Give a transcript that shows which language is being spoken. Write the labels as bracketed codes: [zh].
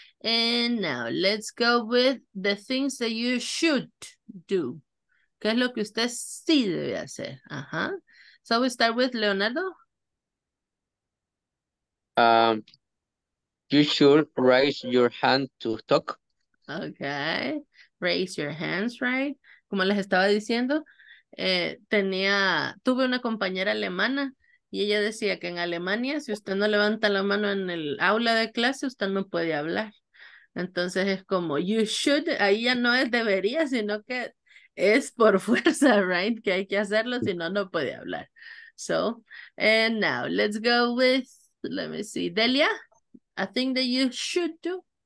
[en] And now let's go with the things that you should do. [es] ¿Qué es lo que usted sí debe hacer? [en] Uh-huh. So we start with Leonardo. You should raise your hand to talk. Okay. Raise your hands, right? [es] Como les estaba diciendo, tuve una compañera alemana y ella decía que en Alemania, si usted no levanta la mano en el aula de clase, usted no puede hablar. Entonces es como, [en] you should, [es] ahí ya no es debería, sino que es por fuerza, right? Que hay que hacerlo, si no, no puede hablar. [en] So, and now, let's go with, let me see, Delia, a thing that you should do.